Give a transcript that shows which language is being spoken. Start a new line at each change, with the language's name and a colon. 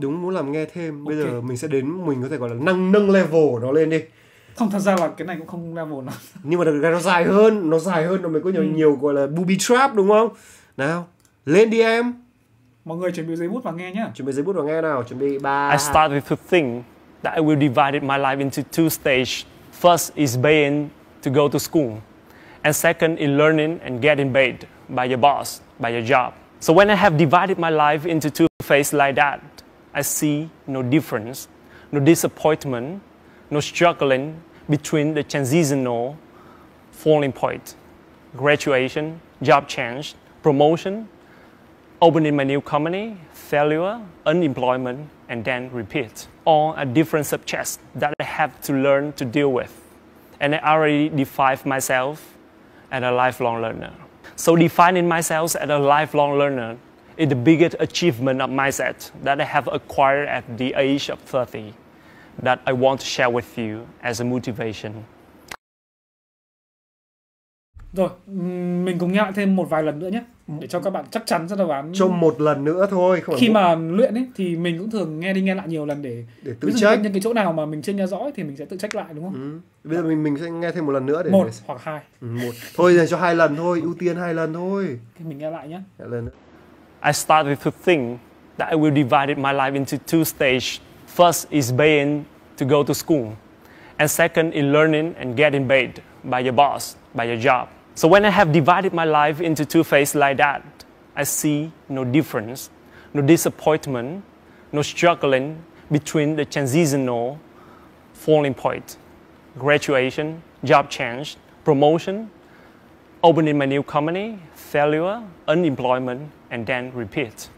Vietnamese: Đúng, muốn làm nghe thêm. Bây giờ mình sẽ đến, mình có thể gọi là nâng level nó lên đi. Không, thật ra là cái này cũng không level lắm. Nhưng mà được cái nó dài hơn, nó mới có nhiều gọi là booby trap đúng không? Nào, lên đi em. Mọi người chuẩn bị giấy bút và nghe nhá. Chuẩn bị giấy bút và nghe nào, chuẩn bị 3.
English: I start with a thing that I will divide my life into two stages. First is paying to go to school. And second is learning and getting paid by your boss, by your job. So when I have divided my life into two phases like that, I see no difference, no disappointment, no struggling between the transitional falling point, graduation, job change, promotion, opening my new company, failure, unemployment, and then repeat. All are different subjects that I have to learn to deal with. And I already define myself as a lifelong learner. So defining myself as a lifelong learner is the biggest achievement of mindset that I have acquired at the age of 30. That I want to share with you as a motivation.
Vietnamese: Rồi, mình cùng nghe lại thêm một vài lần nữa nhé, để cho các bạn chắc chắn ra đáp án. Cho một lần nữa thôi. Khi mà luyện ấy thì mình cũng thường nghe đi nghe lại nhiều lần để tự trách. Những cái chỗ nào mà mình chưa nghe rõ thì mình sẽ tự trách lại đúng không? Bây giờ mình sẽ nghe thêm một lần nữa để một để... hoặc hai. Một. Thôi dành cho hai lần thôi, ưu tiên hai lần thôi. Thì mình nghe lại nhé. Lần nữa.
English: I start with a thing that I will divide my life into two stages. First is being to go to school, and second is learning and getting paid by your boss, by your job. So when I have divided my life into two phases like that, I see no difference, no disappointment, no struggling between the transitional falling point, graduation, job change, promotion, opening my new company, failure, unemployment, and then repeat.